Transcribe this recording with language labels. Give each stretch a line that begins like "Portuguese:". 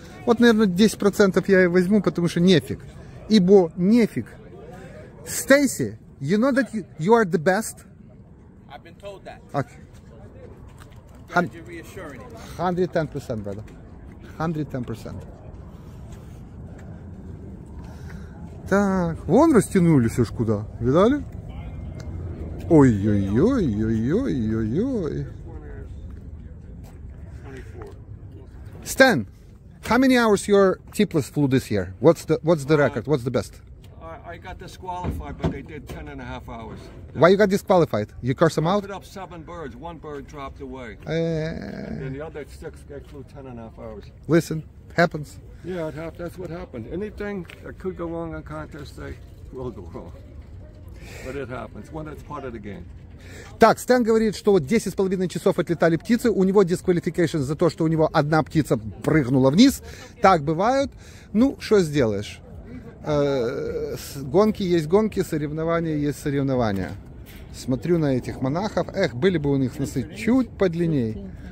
Russian: Вот, наверное, 10% я и возьму, потому что нефиг. Ибо нефиг.
English: Stacy, you know that you are the best? I've been told that. Okay. Glad you're reassuring. 110%, brother. 110%.
Russian: Так, вон растянулись уж куда, видали? Ой-ой-ой-ой-ой-ой-ой.
English: Stan, how many hours your tipless flew this year? What's the record? What's the best? I, I got disqualified, but they did 10 and a half hours. Why you got disqualified? You curse them out? I put up seven birds. One bird dropped away. And then the other six flew 10 and a half hours. Listen, happens. Yeah, it happened. That's what happened. Anything that could go wrong on contest day will go wrong. But it happens. Well, that's part of the game.
Russian: Так, Стэн говорит, что 10,5 часов отлетали птицы, у него дисквалификация за то, что у него одна птица прыгнула вниз. Так бывает. Ну, что сделаешь? Гонки есть гонки, соревнования есть соревнования. Смотрю на этих монахов. Эх, были бы у них носы чуть подлиннее.